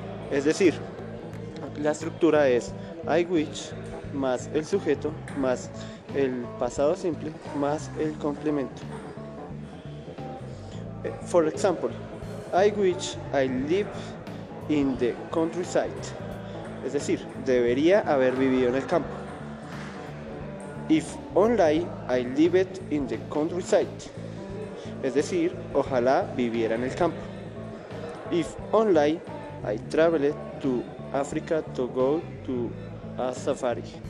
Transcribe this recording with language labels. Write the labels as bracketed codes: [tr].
[es] Es decir, la estructura es I wish más el sujeto más el pasado simple más el complemento. [en] For example, I wish I lived in the countryside. [es] Es decir, debería haber vivido en el campo. [en] If only I lived in the countryside. Es decir, ojalá viviera en el campo. If only I traveled to Africa to go to a safari.